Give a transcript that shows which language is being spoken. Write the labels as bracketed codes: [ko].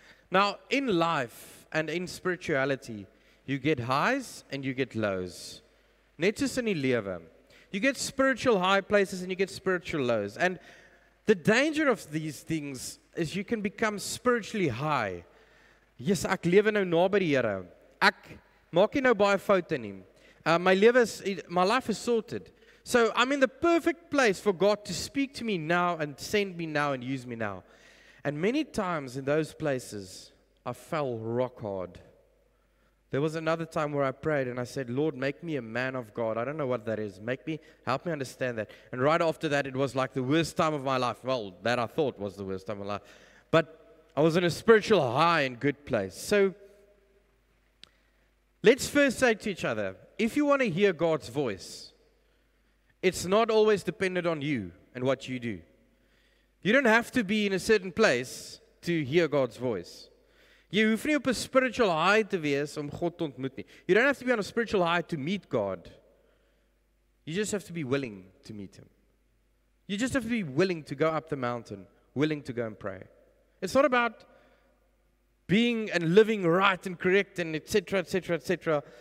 [en] Now, in life and in spirituality, you get highs and you get lows. [af] Net soos in die lewe. [en] You get spiritual high places and you get spiritual lows. And the danger of these things is you can become spiritually high. [af] Yes, ek lewe nou naby die Here. Ek maak nie nou baie foute nie. [en] My life is sorted. So I'm in the perfect place for God to speak to me now and send me now and use me now. And many times in those places, I fell rock hard. There was another time where I prayed and I said, Lord, make me a man of God. I don't know what that is. Help me understand that. And right after that, it was like the worst time of my life. Well, that I thought was the worst time of my life. But I was in a spiritual high and good place. So let's first say to each other, if you want to hear God's voice, it's not always dependent on you and what you do. You don't have to be in a certain place to hear God's voice. [af] You hoef nie op 'n spiritual high te wees om God te ontmoet nie. [en] You don't have to be on a spiritual high to meet God. You just have to be willing to meet Him. You just have to be willing to go up the mountain, willing to go and pray. It's not about being and living right and correct and et cetera, et cetera, et cetera.